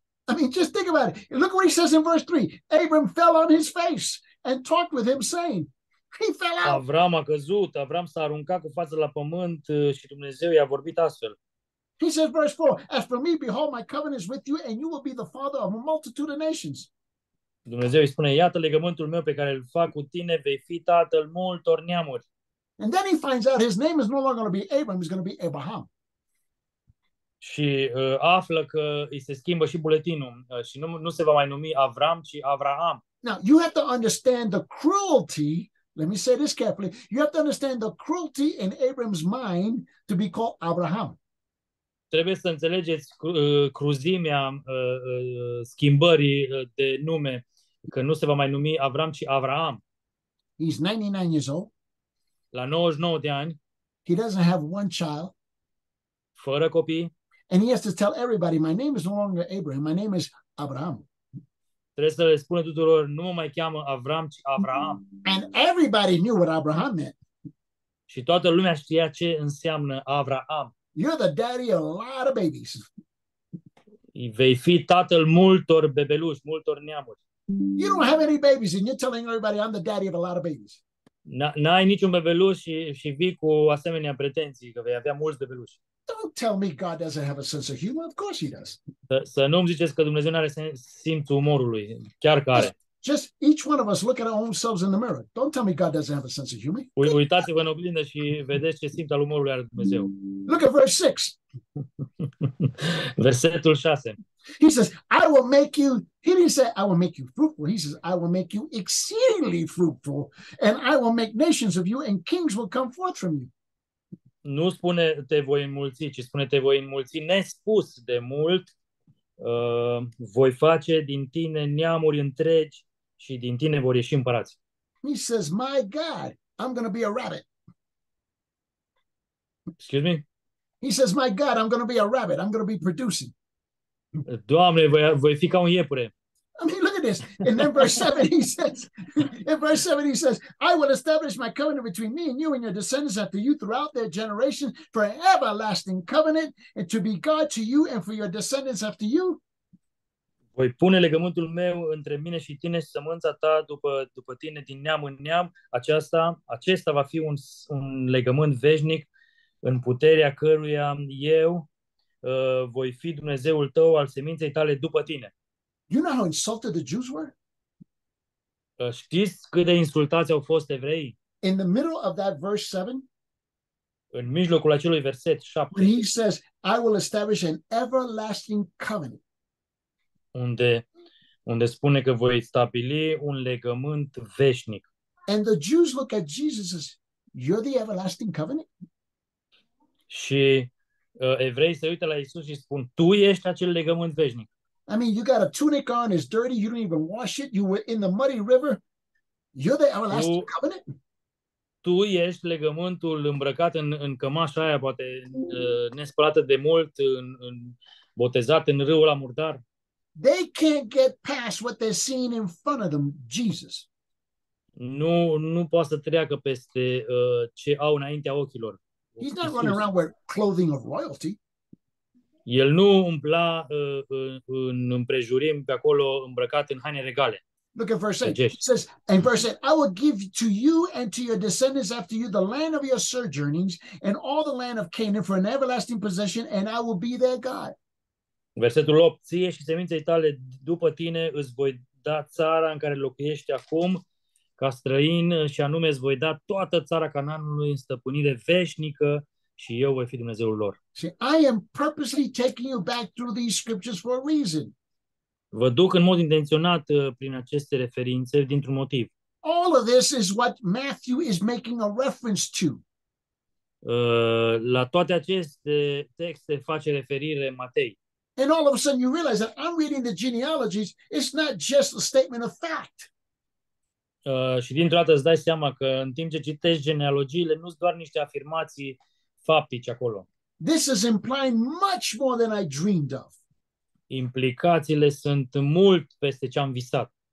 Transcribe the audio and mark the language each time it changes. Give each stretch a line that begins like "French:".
English: I mean, just think about it. Look what he says in verse 3. Abram fell on his face and talked with him saying. He fell out.
Romanian: Avram a căzut, Avram s-a aruncat cu fața la pământ și Dumnezeu i-a vorbit astfel.
English: He says, verse 4, as for me, behold, my covenant is with you, and you will be the father of a multitude of nations.
Romanian: Dumnezeu îi spune, iată legământul meu pe care îl fac cu tine, vei fi tatăl multor neamuri.
English: And then he finds out his name is no longer going to be Abram, it's going to be Abraham.
Romanian: Și află că îi se schimbă și buletinul și nu se va mai numi Avram, ci Avraham.
English: Now, you have to understand the cruelty. Let me say this carefully. You have to understand the cruelty in Abram's mind to be called Abraham.
Romanian: Trebuie să înțelegeți cruzimea schimbării de nume, că nu se va mai numi Avram, ci Avraham.
English: He's 99 years old.
Romanian: La 99 de ani.
English: He doesn't have one child.
Romanian: Fără copii.
English: And he has to tell everybody, my name is no longer Abraham, my name is Abraham.
Romanian: Trebuie să le spune tuturor, nu mă mai cheamă Avram, ci Abraham.
English: And everybody knew what Abraham meant.
Romanian: Și toată lumea știa ce înseamnă Avraham.
English: You're the daddy of a lot of babies.
Romanian: Vei fi tatăl multor bebeluși, multor neamuri.
English: You don't have any babies and you're telling everybody I'm the daddy of a lot of babies.
Romanian: N-ai niciun bebeluș și vii cu asemenea pretenții că vei avea mulți bebeluși.
English: Don't tell me God doesn't have a sense of humor. Of course he does.
Romanian: Să nu-mi ziceți că Dumnezeu nu are simțul umorului. Chiar că are.
English: Just each one of us look at ourselves in the mirror. Don't tell me God doesn't have a sense of humor.
Romanian: Uitați-vă în oglindă și vedeți ce simț al umorului are Dumnezeu.
English: Look at verse 6.
Romanian: Versetul 6.
English: He says, I will make you, he didn't say, I will make you fruitful. He says, I will make you exceedingly fruitful. And I will make nations of you and kings will come forth from you.
Romanian: Nu spune te voi înmulți, ci spune te voi înmulți nespus de mult. Voi face din tine neamuri întregi și din tine vor ieși împărați.
English: He says, my God, I'm going to be a rabbit. Excuse me? He says, my God, I'm going to be a rabbit. I'm going to be producing.
Romanian: Doamne, voi fi ca un iepure.
English: I mean, look at this. And then verse 7, he says, in verse 7, he says, I will establish my covenant between me and you and your descendants after you throughout their generation for an everlasting covenant and to be God to you and for your descendants after you.
Romanian: Voi pune legământul meu între mine și tine și sămânța ta după tine din neam în neam. Acesta va fi un legământ veșnic în puterea căruia eu voi fi Dumnezeul tău al seminței tale după tine.
English: You know how insulted the Jews were?
Romanian: Știți cât de insultați au fost evreii?
English: In the middle of that verse 7,
Romanian: în mijlocul acelui verset 7,
English: when he says, I will establish an everlasting covenant.
Romanian: Unde spune că voi stabili un legământ veșnic.
English: And the Jews look at Jesus as, you're the everlasting covenant?
Romanian: Și evreii se uită la Iisus și spun, tu ești acel legământ veșnic.
English: I mean, you got a tunic on, it's dirty, you don't even wash it, you were in the muddy river. You're the everlasting covenant?
Romanian: Tu ești legământul îmbrăcat în cămașa aia, poate nespălată de mult, în botezat în râul la murdar.
English: They can't get past what they're seeing in front of them, Jesus.
Romanian: Nu poate să treacă peste ce au înaintea ochilor.
English: He's not running around with clothing of royalty.
Romanian: El nu umpla în împrejurim pe acolo îmbrăcat în haine regale.
English: Look at verse 8. It says, in verse 8, I will give to you and to your descendants after you the land of your sojournings and all the land of Canaan for an everlasting possession, and I will be their God.
Romanian: Versetul 8, ție și seminței tale după tine îți voi da țara în care locuiești acum ca străin și anume îți voi da toată țara Canaanului în stăpânire veșnică și eu voi fi Dumnezeul lor.
English: See, I am purposely taking you back through these scriptures for a reason.
Romanian: Vă duc în mod intenționat prin aceste referințe dintr-un motiv.
English: All of this is what Matthew is making a reference to.
Romanian: La toate aceste texte face referire Matei.
English: And all of a sudden you realize that I'm reading the genealogies, it's not just a statement of fact.
Romanian: Și dintr-o dată îți dai seama că în timp ce citești genealogiile, nu-s doar niște afirmații faptice acolo.
English: This is implying much more than I dreamed of.
Romanian: Implicațiile sunt mult peste ce am visat.